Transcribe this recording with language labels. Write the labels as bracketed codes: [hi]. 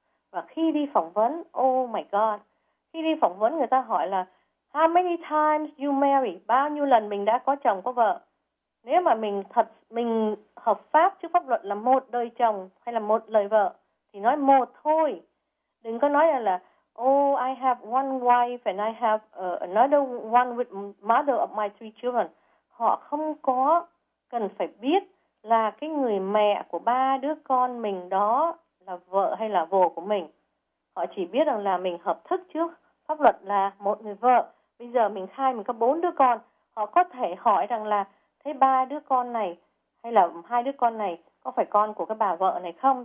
[vi] Và khi đi phỏng vấn, [en] oh my god, [vi] khi đi phỏng vấn người ta hỏi là [en] how many times you marry, [vi] bao nhiêu lần mình đã có chồng, có vợ. Nếu mà mình hợp pháp trước pháp luật là một đời chồng hay là một lời vợ, thì nói một thôi. Đừng có nói là [en] oh, I have one wife and I have another one with mother of my three children. [vi] Họ không có cần phải biết là cái người mẹ của ba đứa con mình đó là vợ hay là vồ của mình. Họ chỉ biết rằng là mình hợp thức trước pháp luật là một người vợ. Bây giờ mình khai mình có bốn đứa con. Họ có thể hỏi rằng là thế ba đứa con này hay là hai đứa con này có phải con của cái bà vợ này không?